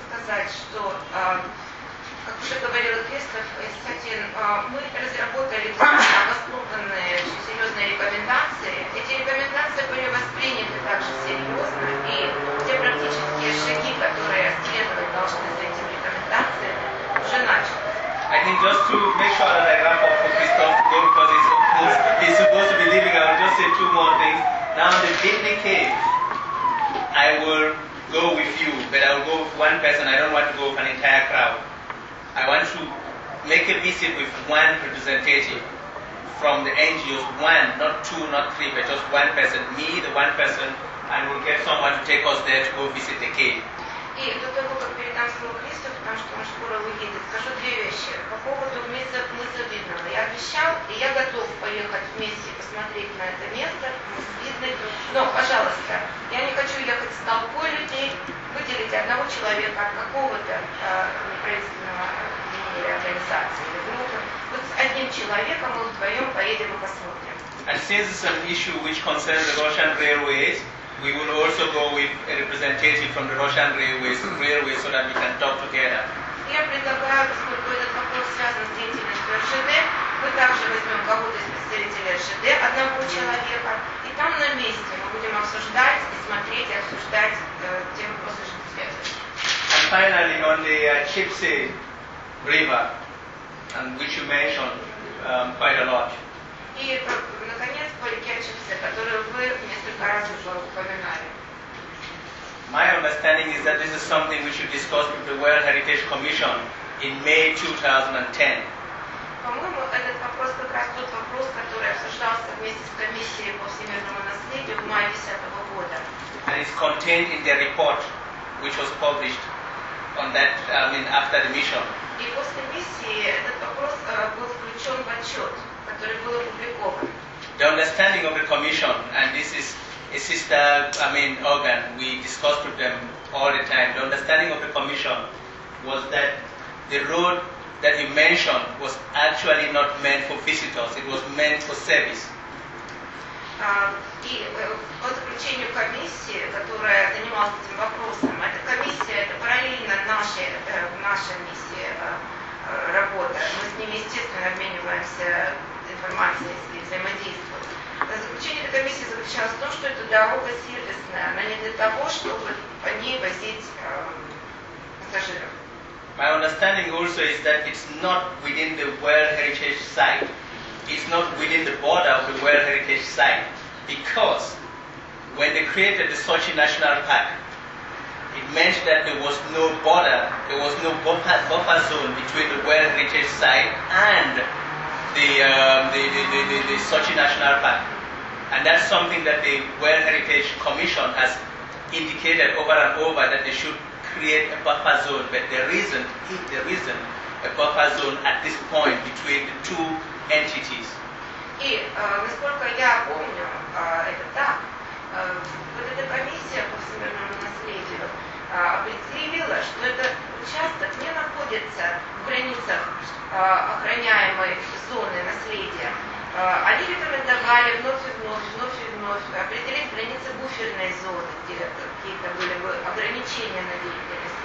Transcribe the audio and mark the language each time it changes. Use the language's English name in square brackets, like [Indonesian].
[Russian] Как уже говорил Кристоф и Сатин, мы разработали обоснованные серьезные рекомендации. Эти рекомендации были восприняты также серьезно, и те практические шаги, которые следовать должны за этим рекомендациям, уже начали. [English] I think just to make sure that I wrap up for Кристоф to go, because he's supposed to be leaving, I will just say two more things. Now the Bitney Cave, I will go with you, but I will go with one person, I don't want to go with an entire crowd. I want to make a visit with one representative from the NGOs, one, not two, not three, but just one person, me, the one person, and we'll get someone to take us there to go visit the cave. [Russian] И до того, как передам слово Кристофу, потому что он скоро уедет, скажу две вещи. По поводу мыса Видного. Я обещал, и я готов поехать вместе посмотреть на это место, мыс Видный. Но, пожалуйста, я не хочу ехать с толпой людей, выделить одного человека от какого-то неправительственного или организации. Вот с одним человеком мы вдвоем поедем и посмотрим. [English] And since this is an issue which concerns the Russian railways, we will also go with a representative from the Russian railways so that we can talk together. [Russian] Я предлагаю, поскольку этот вопрос связан с деятельностью РЖД, мы также возьмем кого-то из представителей РЖД, одного человека, и там на месте мы будем обсуждать и смотреть, и обсуждать те вопросы, что связаны. [English] And finally, on the Chipsy River, which you mentioned quite a lot. [Russian] И это, наконец, по реке Чипсе, которую вы несколько раз уже упоминали. [English] My understanding is that this is something we should discuss with the World Heritage Commission in May 2010. [Russian] По-моему, этот вопрос как раз тот вопрос, который обсуждался вместе с комиссией по всемирному наследию в мае 2010 года. [English] And it's contained in their report, which was published on that, I mean, after the mission. [Russian] И после миссии этот вопрос был включен в отчет, который был опубликован. [English] The understanding of the commission, and this is a sister, I mean, organ, we discussed with them all the time. The understanding of the commission was that the road that you mentioned was actually not meant for visitors, it was meant for service. [Russian] И по заключению комиссии, которая занималась этим вопросом, эта комиссия, это параллельно наша миссия работа. Мы с ними, естественно, обмениваемся информацией и взаимодействуем. Заключение этой комиссии заключалось в том, что эта дорога сервисная, она не для того, чтобы по ней возить пассажиров. [English] My understanding also is that it's not within the World Heritage Site. It's not within the border of the World Heritage Site. Because when they created the Sochi National Park, it meant that there was no border, there was no buffer zone between the World Heritage Site and the Sochi National Park. And that's something that the World Heritage Commission has indicated over and over that they should create a buffer zone. But there isn't a buffer zone at this point between the two entities. [Russian] И насколько я помню, это так. Вот эта комиссия по всемирному наследию определила, что этот участок не находится в границах охраняемой зоны наследия. Они рекомендовали вновь определить границы буферной зоны, где какие-то были бы ограничения на деятельность.